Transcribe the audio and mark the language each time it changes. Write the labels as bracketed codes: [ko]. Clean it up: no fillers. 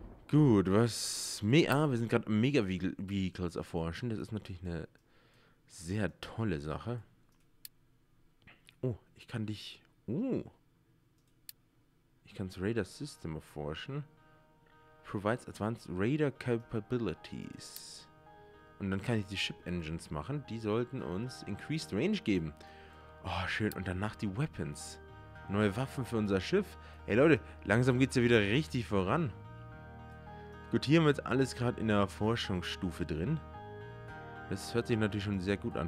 [de] Gut, was... wir sind gerade Mega-Vehicles erforschen. Das ist natürlich eine sehr tolle Sache. Oh, ich kann dich... Ich kann das Radar System erforschen. [en] Provides advanced radar capabilities. [de] Und dann kann ich die Ship Engines machen. Die sollten uns Increased Range geben. Oh, schön. Und danach die Weapons. Neue Waffen für unser Schiff. Hey Leute, langsam geht es ja wieder richtig voran. Gut, hier haben wir jetzt alles gerade in der Forschungsstufe drin. Das hört sich natürlich schon sehr gut an.